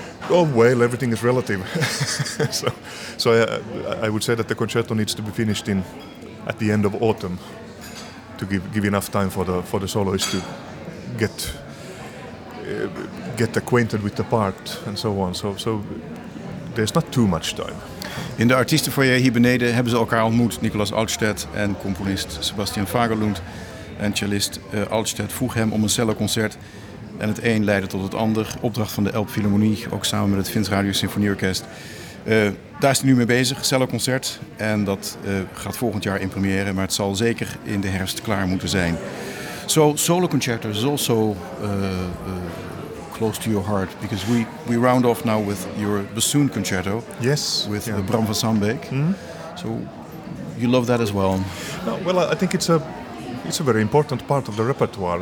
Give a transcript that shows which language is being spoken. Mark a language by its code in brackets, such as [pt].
[en] Oh well, everything is relative. So I would say that the concerto needs to be finished at the end of autumn. To give enough time for the soloists to get acquainted with the part and so on. So there's not too much time. [nl] In de artiestenfoyer hier beneden hebben ze elkaar ontmoet. Nikolaus Altstedt en componist Sebastian Vagelund en cellist Altstedt vroeg hem om een celloconcert. En het een leidde tot het ander. Opdracht van de Elbphilharmonie, ook samen met het Fins Radio Symfonieorkest. Daar is hij nu mee bezig, celloconcert. En dat gaat volgend jaar in première, maar het zal zeker in de herfst klaar moeten zijn. [en] So, solo concerto is also close to your heart, because we round off now with your bassoon concerto. Yes. With Bram van Sandbeek. Mm-hmm. So, you love that as well. No, well, I think it's a very important part of the repertoire.